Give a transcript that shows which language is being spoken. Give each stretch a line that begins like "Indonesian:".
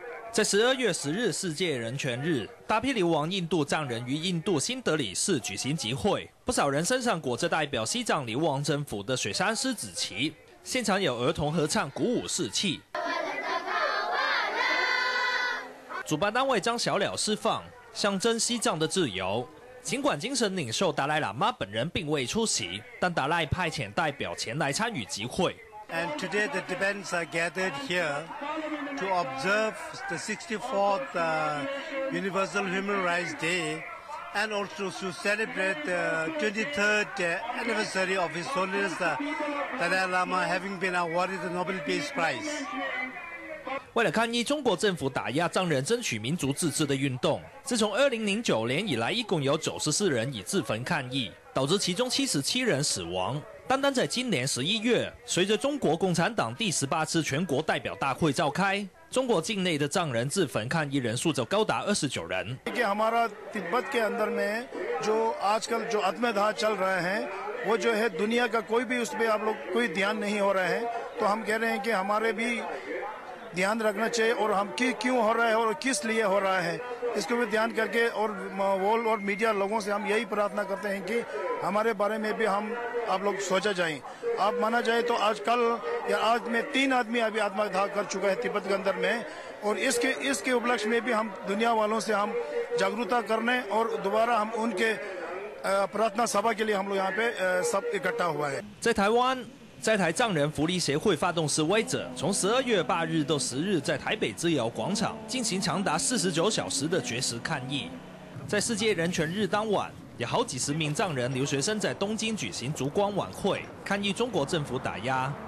Chinese: 在12月10日世界人权日，大批流亡印度藏人于印度新德里市举行集会，不少人身上裹着代表西藏流亡政府的雪山狮子旗，现场有儿童合唱鼓舞士气。主办单位将小鸟释放，象征西藏的自由。尽管精神领袖达赖喇嘛本人并未出席，但达赖派遣代表前来参与集会。
English: And today the Tibetans are gathered here to observe the 64th Universal Human Rights Day and also to celebrate the 23rd anniversary of His Holiness the Dalai Lama having been awarded the Nobel Peace Prize.
Chinese: 为了抗议中国政府打压藏人争取民族自治的运动，自从2009年以来，一共有94人已自焚抗议，导致其中77人死亡。单单在今年11月，随着中国共产党第18次全国代表大会召开，中国境内的藏人自焚抗议人数就高达29人。
Hindi: कि हमारा तिब्बत के अंदर में जो आजकल जो आत्मदाह चल रहे हैं, वो जो है दुनिया का कोई भी उसपे आप लोग कोई ध्यान नहीं हो रहे हैं, तो हम कह रहे हैं कि हमारे भी ध्यान रखना चाहिए और हम क्यों हो रहा है और किस लिए हो रहा है इसको भी ध्यान करके और वॉल और मीडिया लोगों से हम यही प्रार्थना करते हैं कि हमारे बारे में भी हम आप लोग सोचा जाएं आप माना जाए तो आज कल या आज में 3 आदमी अभी आत्मदाह कर चुका है तिब्बत के अंदर में और इसके उपलक्ष्य में भी हम दुनिया वालों से हम जागरूकता करने और दोबारा हम उनके प्रार्थना सभा के लिए हम लोग यहाँ पे सब इकट्ठा हुआ है तय
Chinese: 在台藏人福利协会发动示威者从12月8日到10日在台北自由广场进行长达49小时的绝食抗议。在世界人权日当晚，有好几十名藏人留学生在东京举行烛光晚会，抗议中国政府打压。